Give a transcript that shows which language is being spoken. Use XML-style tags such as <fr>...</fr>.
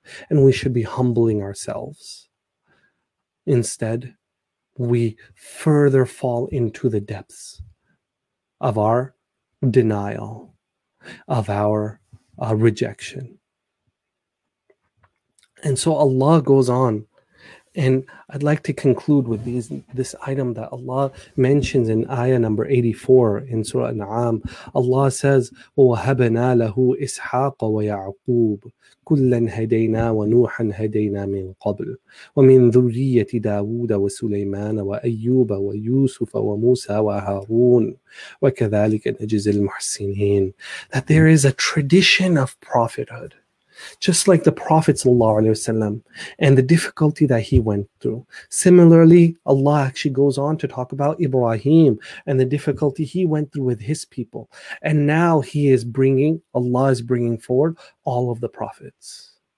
<en>And we should be humbling ourselves. Instead, we further fall into the depths of our denial, of our rejection. And so Allah goes on, and I'd like to conclude with this item that Allah mentions in ayah number 84 in Surah An'am. Allah says,</en> <ar>وَوَهَبْنَا لَهُ إِسْحَاقَ وَيَعْقُوبَ كُلًّا هَدَيْنَا وَنُوحًا هَدَيْنَا مِنْ قَبْلُ وَمِنْ ذُرِّيَّةِ دَاوُودَ وَسُلَيْمَانَ وَأَيُّوبَ وَيُوسُفَ وَمُوسَى وَهَارُونَ وَكَذَلِكَ نَجْزِي الْمُحْسِنِينَ.</ar> <en>That there is a tradition of prophethood. just like the Prophet sallallahu alaihi wasallam and the difficulty that he went through. Similarly, Allah actually goes on to talk about Ibrahim and the difficulty he went through with his people. And now Allah is bringing forward all of the prophets.</en>